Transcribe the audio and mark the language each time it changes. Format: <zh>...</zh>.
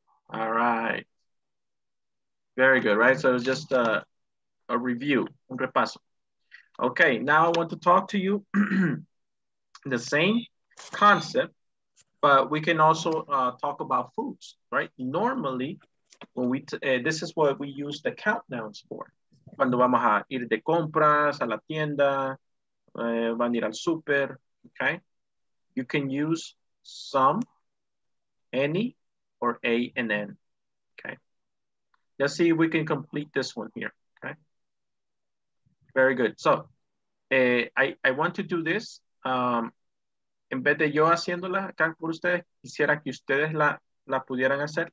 <en>All right. Very good, right? So it was just a review,</en> <es>un repaso.</es> <en>Okay, now I want to talk to you the same concept, but we can also talk about foods, right? Normally, when this is what we use the count nouns for.</en> <es>Cuando vamos a ir de compras, a la tienda, van a ir al super, okay?</es> <en>You can use some, any, or a and n, okay? Let's see if we can complete this one here, okay? Very good. So, I want to do this.</en> <es>En vez de yo haciéndola acá por ustedes, quisiera que ustedes la pudieran hacer.</es>